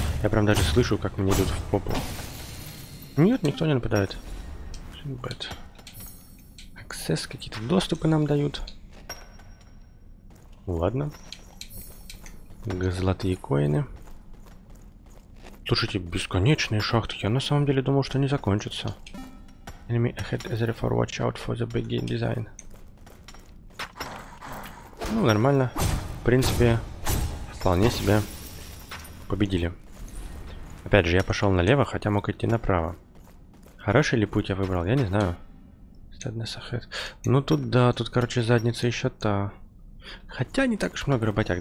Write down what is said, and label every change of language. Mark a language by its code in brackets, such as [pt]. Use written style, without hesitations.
[ru] Я прям даже слышу, как мне идут в попу. Нет, никто не нападает. Аксесс какие-то доступы нам дают. Ладно. Золотые коины. Слушайте, бесконечные шахты. Я на самом деле думал, что они закончатся. [en] Enemy ahead, therefore watch out for the big game design. [ru] Ну, нормально. В принципе, вполне себе победили. Опять же, я пошел налево, хотя мог идти направо. Хороший ли путь я выбрал, я не знаю. [en] Sadness ahead. [ru] Ну, тут да, тут, короче, задница еще та. Хотя не так уж много работяг.